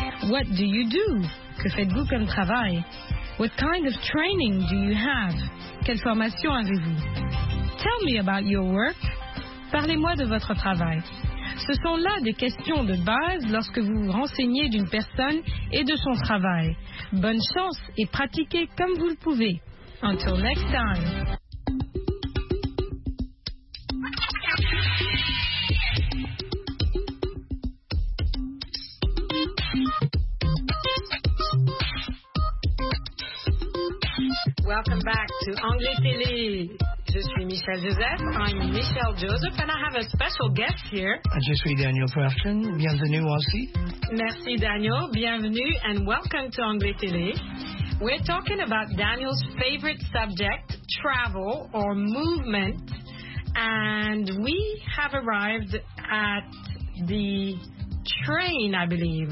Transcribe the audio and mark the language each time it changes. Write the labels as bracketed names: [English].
[English] What do you do? [French] Que faites-vous comme travail? [English] What kind of training do you have? [French] Quelle formation avez-vous? [English] Tell me about your work. [French] Parlez-moi de votre travail. Ce sont là des questions de base lorsque vous vous renseignez d'une personne et de son travail. Bonne chance et pratiquez comme vous le pouvez. [English] Until next time. Welcome back to Anglais Télé. [French] Je suis Michelle Joseph. [English] I'm Michelle Joseph, and I have a special guest here. [French] Je suis Daniel Persson. Bienvenue aussi. Merci, Daniel. Bienvenue, [English] and welcome to Anglais Télé. We're talking about Daniel's favorite subject, travel or movement, and we have arrived at the train, I believe.